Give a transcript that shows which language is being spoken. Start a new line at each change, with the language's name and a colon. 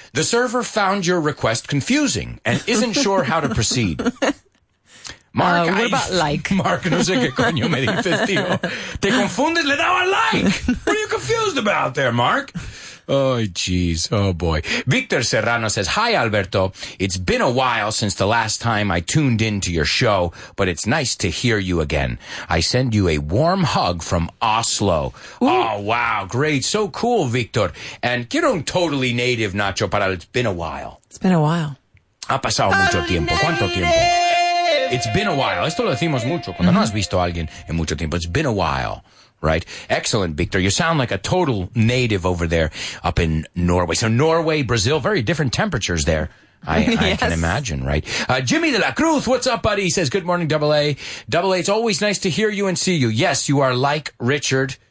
English: The server found your request confusing and isn't sure how to proceed. Mark, what about like?
Spanish: Mark, no sé qué coño me dices, tío. Te confundes, le daba like.
English: What are you confused about there, Mark? Oh, jeez. Oh, boy. Victor Serrano says, hi, Alberto. It's been a while since the last time I tuned into your show, but it's nice to hear you again. I send you a warm hug from Oslo. Ooh. Oh, wow. Great. So cool, Victor. And
Spanish: quiero un
English: totally native nacho
Spanish: para el...
English: It's been a while. It's been a while.
Spanish: Ha pasado mucho tiempo. ¿Cuánto tiempo?
English: It's been a while.
Spanish: Esto lo decimos mucho cuando mm-hmm. no has visto a alguien en mucho tiempo.
English: It's been a while, right? Excellent, Victor. You sound like a total native over there up in Norway. So Norway, Brazil, very different temperatures there. I can imagine, right? Jimmy de la Cruz, what's up, buddy? He says, good morning, AA. AA, it's always nice to hear you and see you. Yes, you are like Richard.